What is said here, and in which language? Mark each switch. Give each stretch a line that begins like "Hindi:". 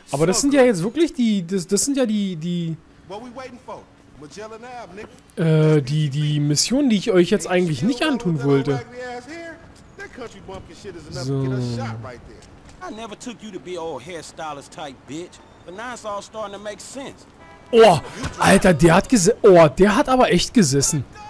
German: Aber das sind ja jetzt wirklich die... Das sind ja die...
English: What we waiting for?
German: Die Mission, die ich euch jetzt eigentlich nicht antun wollte. So.
English: I never took you to be old hairstylist type bitch, but now it's all starting to make sense.
German: Oh, Alter, der hat aber echt gesessen.